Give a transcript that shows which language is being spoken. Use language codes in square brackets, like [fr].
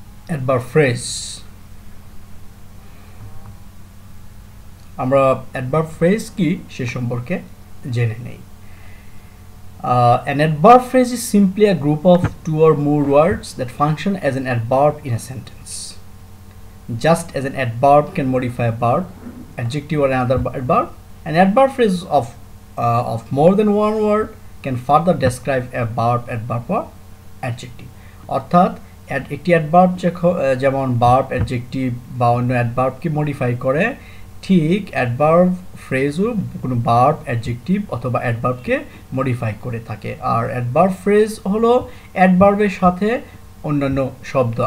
[bn] Adverb phrase, আমরা adverb phrase কি সে সম্পর্কে জেনে নেই। [en] An adverb phrase is simply a group of two or more words that function as an adverb in a sentence. Just as an adverb can modify a verb, adjective or another adverb, an adverb phrase of more than one word can further describe a verb, adverb or adjective. [bn] অর্থাৎ একটি adverb যেমন verb, adjective বা অন্য adverb কে modify করে, ঠিক adverb ফ্রেজও কোনো verb, adjective অথবা অ্যাডভার্বকে modify করে থাকে। আর অ্যাডভার্ব ফ্রেজ হলো অ্যাডভার্বের সাথে অন্যান্য শব্দ।